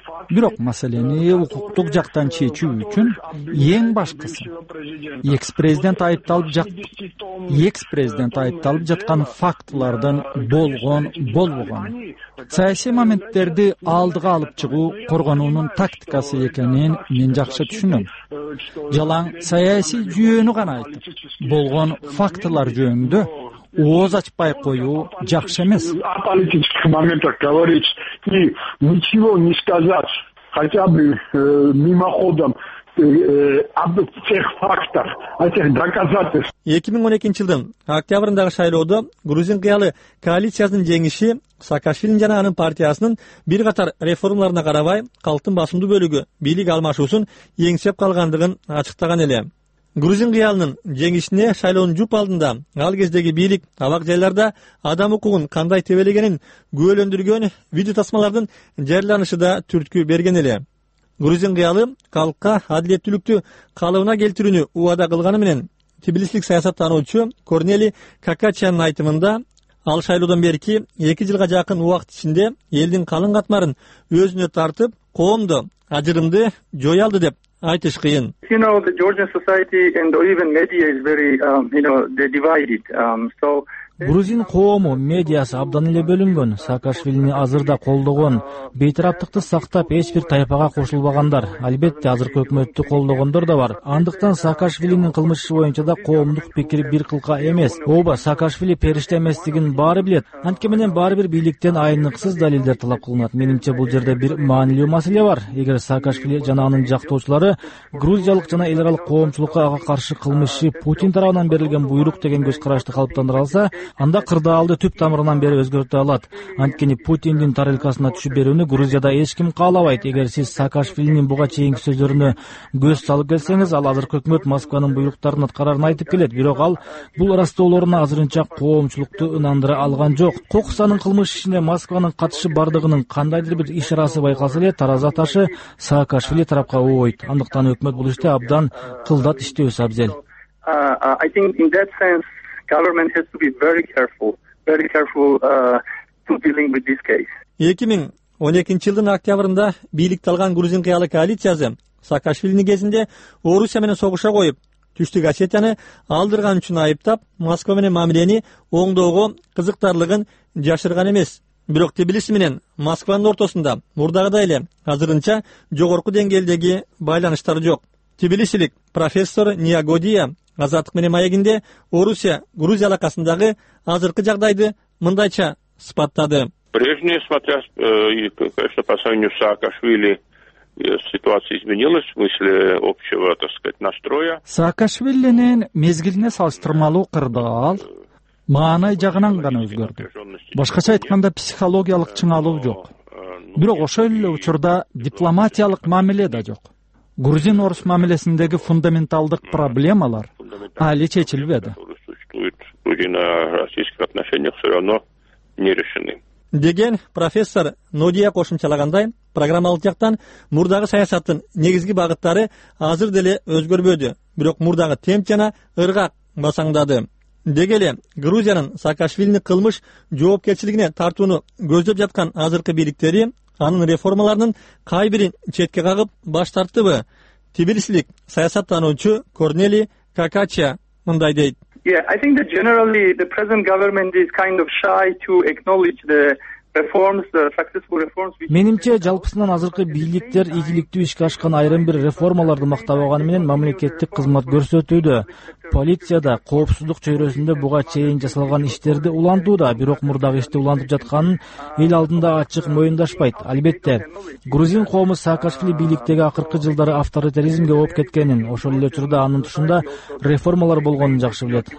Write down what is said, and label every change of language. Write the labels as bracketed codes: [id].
[ky] Бирок маселени укуктук жактан чечүү үчүн эң башкысы экс-президент айыпталып жаткан фактылардын болгон болбогон саясий моменттерди алдыга алып чыгуу коргонуунун тактикасы экенин мен жакшы түшүнөм. Жалаң саясий жүйөнү гана айтып, болгон фактылар жөнүндө ооз ачпай коюу жакшы эмес. [ru] О политических моментах говорить и ничего не сказать хотя бы мимоходом об тех фактах, о тех доказательствах. [ky] 2012 жылдын октябрындагы шайлоодо грузин кыялы коалициясынын жеңиши Саакашвилинин жана анын партиясынын бир катар реформаларына карабай калктын басымдуу бөлүгү бийлик алмашуусун эңсеп калгандыгын ачыктаган эле. Грузин кыялынын жеңишине шайлоонун жуп алдында ал кездеги бийлик абак жайларда адам укугун кандай тебелегенин күбөлөндүргөн видео тасмалардын жарыяланышы да түрткү берген эле. Грузин кыялы калкка адилеттүүлүктү калыбына келтирүүнү убада кылганы менен тбилислик саясат таануучу Корнели Какачиянын айтымында ал шайлоодон берки 2 жылга жакын убакыт ичинде элдин калың катмарын өзүнө тартып коомдо ажырымды жоя алды деп айтыш кыйын. [en] You know, the Georgian society and even media is very they're divided. [ky] Грузин коому, медиасы абдан эле бөлүнгөн. Саакашвилини азырда колдогон, бейтараптыкты сактап эч бир тайпага кошулбагандар, албетте азыркы өкмөттү колдогондор да бар. Андыктан Саакашвилинин кылмыш иши боюнча да коомдук пикир бир кылка эмес. Ооба, Саакашвили периште эместигин баары билет. Антке менен баары бир бийликтен айыныксыз далилдер талап кылынат. Менимче бул жерде бир маанилүү маселе бар. Эгер Саакашвили жана анын жактоочулары грузиялык жана эл аралык коомчулукка ага каршы кылмыш иши Путин тарабынан берилген буйрук деген көз карашты калыптандыра алса, анда кырдаалды түп тамырынан бери өзгөртө алат. Анткени Путиндин тарелкасына түшүп берүүнү Грузияда эч ким каалабайт. Эгер сиз Саакашвилинин буга чейинки сөздөрүнө көз салып келсеңиз, ал азыркы өкмөт Москванын буйруктарын аткарарын айтып келет. Бирок ал бул ырастоолоруна азырынча коомчулукту ынандыра алган жок. Кокусанын кылмыш ишине Москванын катышы бардыгынын кандайдыр бир ишарасы байкалса эле, таразы аташы Саакашвили тарапка ооюйт. Андыктан өкмөт бул иште абдан кылдат иштөөсү абзел. [en] I think in that sense government has to be very careful to dealing with this case. [ky] 2012 жылдын октябрында бийликти алган грузин кыялы коалициясы Саакашвилини кезинде Орусия менен согуша коюп, Түштүк Осетияны алдырган үчүн айыптап, Москва менен мамилени оңдоого кызыктарлыгын жашырган эмес. Бирок Тбилиси менен Москванын ортосунда мурдагыдай эле азырынча жогорку деңгээлдеги байланыштар жок. Тбилисилик профессор Ниагодия Азаттык менен маегинде Орусия Грузия алакасындагы азыркы жагдайды мындайча сыпаттады. [ru] Прежнее, смотря, конечно, по сравнению с Саакашвили, ситуация изменилась в смысле общего, так сказать, настроя. [ky] Саакашвилинин мезгилине салыштырмалуу кырдаал маанай жагынан гана өзгөрдү. Башкача айтканда психологиялык чыңалуу жок. Бирок ошол эле учурда дипломатиялык мамиле да жок. Грузин орус мамилесиндеги фундаменталдык проблемалар али чечилбеди. [ru] Грузино-российских отношениях все равно не решены. [ky] Деген профессор Нодия кошумчалагандай, программалык жактан мурдагы саясаттын негизги багыттары азыр деле өзгөрбөдү, бирок мурдагы темп жана ыргак басаңдады. Деги эле Грузиянын Саакашвилини кылмыш жоопкерчилигине тартууну көздөп жаткан азыркы бийликтери анын реформаларынын кай бирин четке кагып баш тарттыбы? Тбилисилик саясаттануучу Корнели Какача мындай дейт. [en] Yeah, I think that generally the present government is kind of shy to acknowledge the reforms, the successful reforms. [ky] Менимче жалпысынан азыркы бийликтер ийгиликтүү ишке ашкан айрым бир реформаларды мактап алганы менен мамлекеттик кызмат көрсөтүүдө, полицияда, коопсуздук чөйрөсүндө буга чейин жасалган иштерди улантууда, бирок мурдагы ишти улантып жатканын эл алдында ачык моюндашпайт. Албетте, грузин коому Саакашвили бийликтеги акыркы жылдары авторитаризмге ооп кеткенин, ошол эле учурда анын тушунда реформалар болгонун жакшы билет.